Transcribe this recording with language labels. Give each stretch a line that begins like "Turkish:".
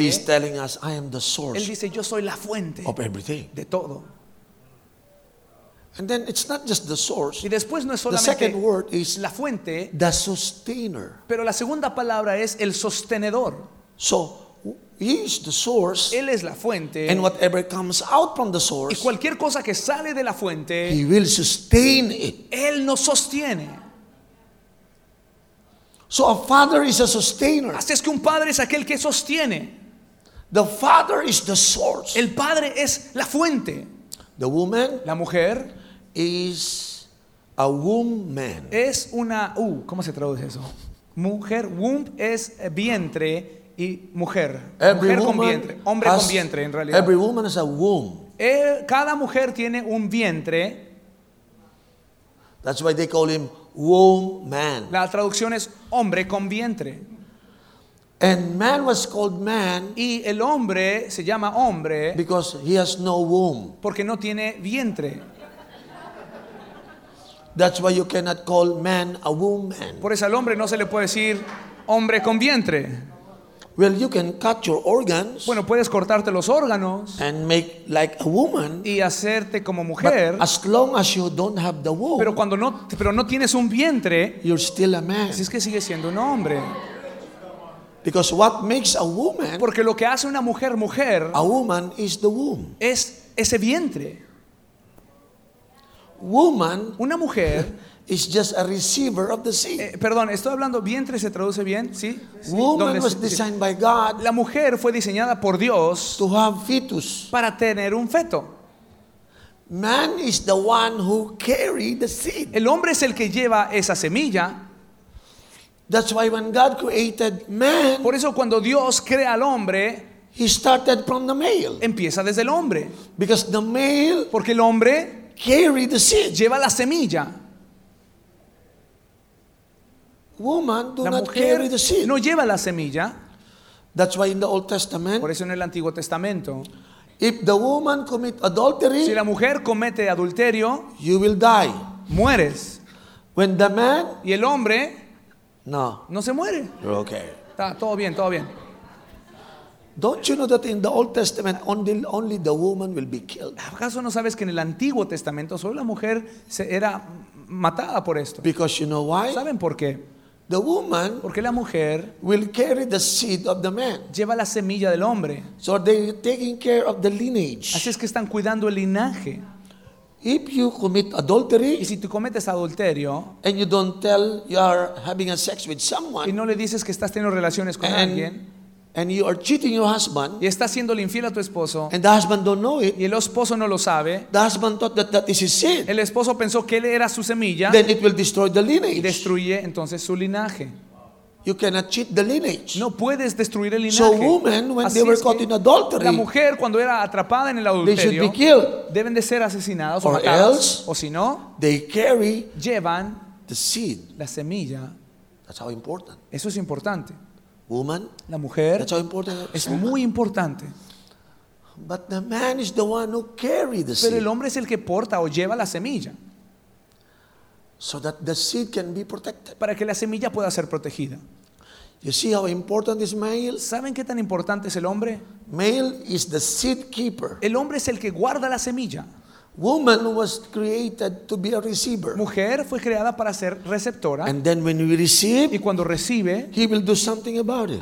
English: he's telling us I am the source.
Spanish: Él dice yo soy la fuente
English: of everything.
Spanish: De todo.
English: And then it's not just the source.
Spanish: Y después no es solamente
English: the second word is
Spanish: la fuente,
English: the sustainer.
Spanish: Pero la segunda palabra es el sostenedor.
English: So he is the source.
Spanish: Él es la fuente.
English: And whatever comes out from the source,
Spanish: y cualquier cosa que sale de la fuente,
English: he will sustain it.
Spanish: Él nos sostiene.
English: So a father is a sustainer.
Spanish: Así es que un padre es aquel que sostiene.
English: The father is the source.
Spanish: El padre es la fuente.
English: The woman,
Spanish: la mujer,
English: is a womb man.
Spanish: Es una ¿cómo se traduce eso? Mujer, womb es vientre y mujer.
English: Every
Spanish: mujer
English: woman
Spanish: con vientre, hombre
English: has,
Spanish: con vientre en realidad.
English: Every woman is a womb.
Spanish: Cada mujer tiene un vientre.
English: That's why they call him womb man.
Spanish: La traducción es hombre con vientre.
English: And man was called man,
Spanish: y el hombre se llama hombre,
English: because he has no womb,
Spanish: porque no tiene vientre.
English: That's why you cannot call man a womb man.
Spanish: Por eso al hombre no se le puede decir hombre con vientre.
English: Well, you can cut your organs.
Spanish: Bueno, puedes cortarte los órganos.
English: And make like a woman.
Spanish: Y hacerte como mujer.
English: But as long as you don't have the womb.
Spanish: Pero no tienes un vientre.
English: You're still a man.
Spanish: Así es que sigue siendo un hombre.
English: Because what makes a woman?
Spanish: Porque lo que hace una mujer mujer.
English: A woman is the womb.
Spanish: Es ese vientre.
English: Woman.
Spanish: Una mujer.
English: It's just a receiver of the seed.
Spanish: Perdón, estoy hablando vientre, ¿se traduce bien? Sí.
English: Woman was designed by God.
Spanish: La mujer fue diseñada por Dios.
English: To have fetus.
Spanish: Para tener un feto.
English: Man is the one who carries the seed.
Spanish: El hombre es el que lleva esa semilla.
English: That's why when God created man.
Spanish: Por eso cuando Dios crea al hombre.
English: He started from the male.
Spanish: Empieza desde el hombre.
English: Because the male.
Spanish: Porque el hombre.
English: Carries the seed.
Spanish: Lleva la semilla.
English: Woman do
Spanish: la
English: not carry the seed.
Spanish: No lleva la semilla.
English: That's why in the Old Testament.
Spanish: Por eso en el Antiguo Testamento.
English: If the woman commit adultery.
Spanish: Si la mujer comete adulterio.
English: You will die.
Spanish: Mueres.
English: When the man.
Spanish: Y el hombre.
English: No.
Spanish: No se muere.
English: You're okay.
Spanish: Está todo bien, todo bien.
English: Don't you know that in the Old Testament only the woman will be killed?
Spanish: ¿Acaso no sabes que en el Antiguo Testamento solo la mujer era matada por esto?
English: Because you know why?
Spanish: ¿Saben por qué?
English: The woman,
Spanish: porque la mujer,
English: will carry the seed of the man.
Spanish: Lleva la semilla del hombre.
English: So they're taking care of the lineage.
Spanish: Así es que están cuidando el linaje.
English: If you commit adultery,
Spanish: y si tú cometes adulterio,
English: and you don't tell you are having a sex with someone,
Spanish: y no le dices que estás teniendo relaciones con alguien,
English: and you are cheating your husband,
Spanish: y estás siendo infiel a tu esposo,
English: and the husband don't know it,
Spanish: y el esposo no lo sabe,
English: the husband thought that is his seed.
Spanish: El esposo pensó que él era su semilla,
English: then it will destroy the lineage.
Spanish: Y destruye entonces su linaje.
English: You cannot cheat the lineage.
Spanish: No puedes destruir el linaje.
English: So women, when they were caught in adultery,
Spanish: la mujer cuando era atrapada en el adulterio,
English: they should be killed.
Spanish: Deben de ser asesinadas
English: or
Spanish: o matadas.
English: Else,
Spanish: o si no,
English: they carry
Spanish: llevan
English: the seed.
Spanish: La semilla.
English: That's how important.
Spanish: Eso es importante.
English: Woman,
Spanish: la mujer,
English: that's how important.
Spanish: Es muy importante.
English: But the man is the one who carries the
Spanish: pero
English: seed.
Spanish: Pero el hombre es el que porta o lleva la semilla.
English: So that the seed can be protected.
Spanish: Para que la semilla pueda ser protegida.
English: You see how important is male?
Spanish: ¿Saben qué tan importante es el hombre?
English: Male is the seed keeper.
Spanish: El hombre es el que guarda la semilla.
English: Woman was created to be a receiver.
Spanish: Mujer fue creada para ser receptora.
English: And then when we receive,
Spanish: y cuando recibe,
English: he will do something about it.